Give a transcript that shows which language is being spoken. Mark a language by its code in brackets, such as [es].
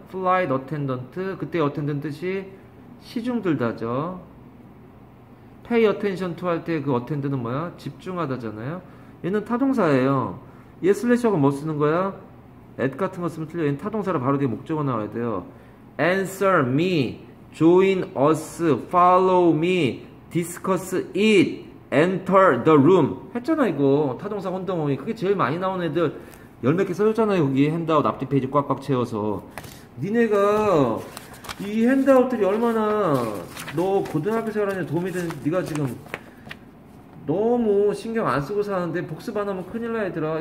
[ko] Flight attendant. 그때 attendant 뜻이 시중 들다죠. [en] Pay attention to [ko] 할때그 attend는 뭐야? 집중하다잖아요. 얘는 타동사예요. 얘 슬래시하고 뭐 쓰는 거야? at 같은 거 쓰면 틀려. 얘는 타동사라 바로 뒤에 목적어 나와야 돼요. [en] Answer me. Join us, follow me, discuss it, enter the room. [ko] 했잖아, 이거. 타동사 혼동어미. 그게 제일 많이 나온 애들. 열몇개 써줬잖아, 여기. 핸드아웃 앞뒤 페이지 꽉꽉 채워서. 니네가 이 핸드아웃들이 얼마나 너 고등학교 생활하는 데 도움이 되는지 니가 지금 너무 신경 안 쓰고 사는데 복습 안 하면 큰일 나, 얘들아.